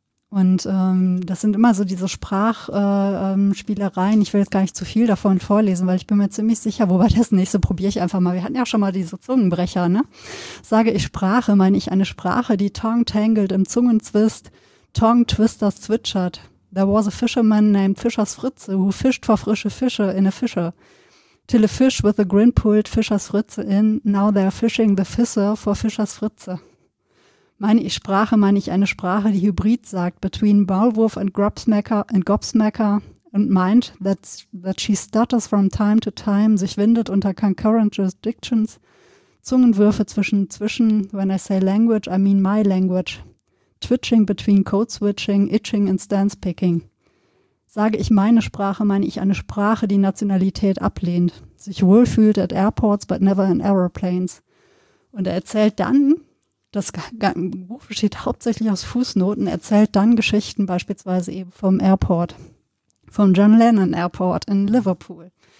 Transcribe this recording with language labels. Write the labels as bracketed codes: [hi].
[de] Und das sind immer so diese Sprachspielereien, ich will jetzt gar nicht zu viel davon vorlesen, weil ich bin mir ziemlich sicher, wobei das nächste probiere ich einfach mal, wir hatten ja schon mal diese Zungenbrecher, ne? Sage ich Sprache, meine ich eine Sprache, die [en] Tongue tangled [de] im Zungentwist, Tongue twisters zwitschert. [en] There was a fisherman named Fischers Fritze, who fished for [de] frische Fische [en] in a fisher. Till a fish with a grin pulled Fischers Fritze in, now they're fishing the fisher for Fischers Fritze. [de] Meine ich Sprache, meine ich eine Sprache, die Hybrid sagt, [en] between Maulwurf and Gobsmacker and meint, that she stutters from time to time, [de] sich windet unter [en] concurrent jurisdictions, [de] Zungenwürfe zwischen, [en] when I say language, I mean my language. Twitching between code switching, itching and stance picking. [de] Sage ich meine Sprache, meine ich eine Sprache, die Nationalität ablehnt, sich wohlfühlt [en] at airports, but never in aeroplanes. [de] Und er erzählt dann, das Buch besteht hauptsächlich aus Fußnoten, erzählt dann Geschichten beispielsweise eben vom Airport, vom John Lennon Airport in Liverpool.